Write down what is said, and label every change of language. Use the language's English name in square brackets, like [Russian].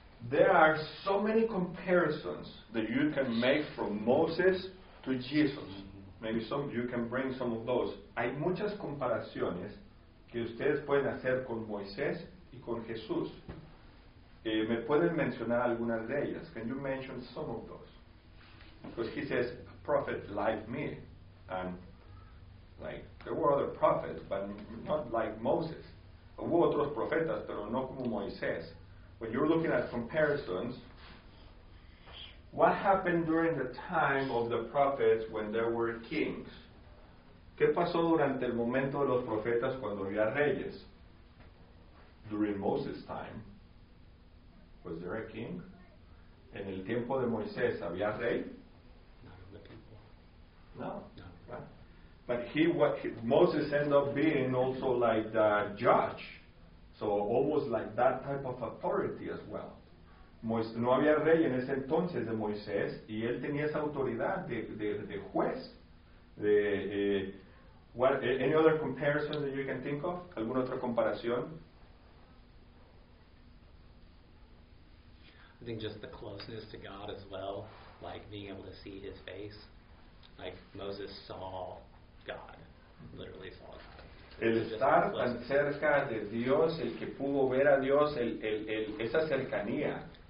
[English] There are so many comparisons that you can make from Moses to Jesus. Maybe some you can bring some of those. [Spanish] Hay muchas comparaciones que ustedes pueden hacer con Moisés y con Jesús. ¿Me pueden mencionar algunas de ellas? [English] Can you mention some of those? Because he says, a prophet like me. And, like, there were other prophets, but not like Moses. [Spanish] Hubo otros profetas, pero no como Moisés. [English] When you're looking at comparisons, what happened during the time of the prophets when there were kings? [Spanish] ¿Qué pasó durante el momento de los profetas cuando había reyes? [English] During Moses' time, was there a king? [Spanish] ¿En el tiempo de Moisés había rey? No. [English] But Moses ended up being also like the judge. So almost like that type of authority as well. [Spanish] No había rey en ese entonces de Moisés, y él tenía esa autoridad de juez. [English] Any other comparison that you can think of? [Spanish] ¿Alguna otra comparación? [English] I think just the closeness to God as well, like being able to see his face. Like Moses saw God, literally saw God. [Spanish] El estar tan cerca de Dios, el que pudo ver a Dios, esa cercanía.